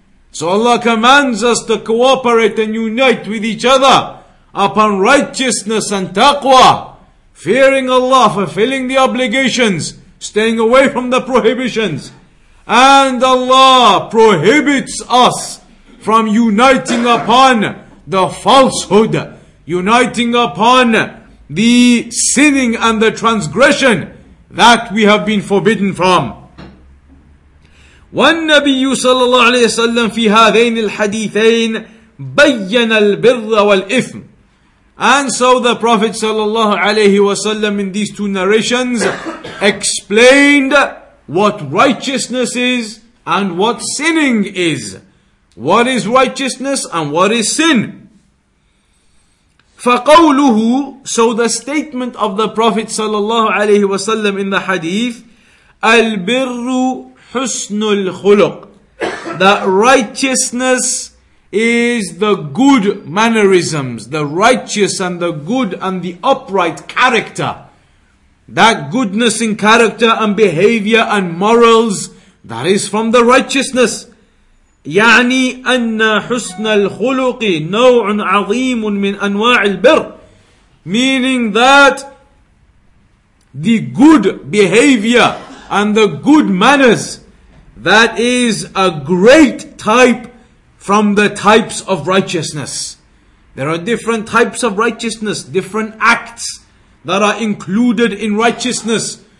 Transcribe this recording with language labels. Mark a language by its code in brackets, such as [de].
[en] So Allah commands us to cooperate and unite with each other upon righteousness and taqwa, fearing Allah, fulfilling the obligations, staying away from the prohibitions. And Allah prohibits us from uniting upon the falsehood, uniting upon the sinning and the transgression that we have been forbidden from. [ar] والنبي صلى الله عليه وسلم في هذين الحديثين بين البر والإثم. [en] And so the Prophet صلى الله عليه وسلم in these two narrations explained what righteousness is and what sinning is. What is righteousness and what is sin? [ar] فقوله, [en] so the statement of the Prophet صلى الله عليه وسلم in the hadith, [ar] البر حسن الخلق, [en] that righteousness is the good mannerisms, the righteous and the good and the upright character. That goodness in character and behavior and morals, that is from the righteousness. [ar] يعني أن حسن الخلق نوع عظيم من أنواع البر. [en] Meaning that the good behavior and the good manners, that is a great type from the types of righteousness. There are different types of righteousness, different acts that are included in righteousness.